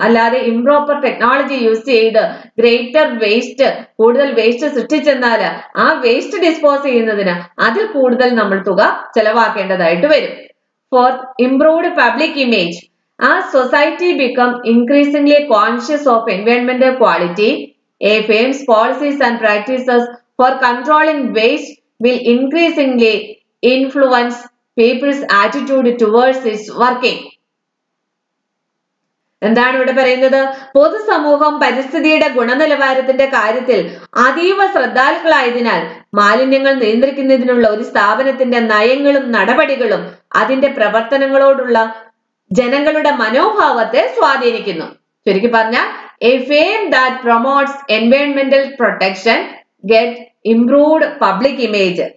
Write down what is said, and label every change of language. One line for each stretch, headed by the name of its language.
Malayalam: അല്ലാതെ improper technology use ചെയ്ത് greater waste, കൂടുതൽ വേസ്റ്റ് സൃഷ്ടിച്ചെന്നാൽ ആ വേസ്റ്റ് ഡിസ്പോസ് ചെയ്യുന്നതിന് അതിൽ കൂടുതൽ നമ്മൾ തുക ചെലവാക്കേണ്ടതായിട്ട് വരും.
English: Fourth, improved public image. ആ society become increasingly conscious of environment quality. A firm's policies and practices for controlling waste will increasingly influence people's attitude towards its working.
Malayalam: എന്താണ് ഇവിടെ പറയുന്നത്? പൊതുസമൂഹം പരിസ്ഥിതിയുടെ ഗുണനിലവാരത്തിന്റെ കാര്യത്തിൽ അതീവ ശ്രദ്ധാലുക്കളായതിനാൽ മാലിന്യങ്ങൾ നിയന്ത്രിക്കുന്നതിനുള്ള ഒരു സ്ഥാപനത്തിന്റെ നയങ്ങളും നടപടികളും അതിന്റെ പ്രവർത്തനങ്ങളോടുള്ള ജനങ്ങളുടെ മനോഭാവത്തെ സ്വാധീനിക്കുന്നു. ശരിക്കും പറഞ്ഞാൽ
English: A firm that promotes environmental protection get improved public image.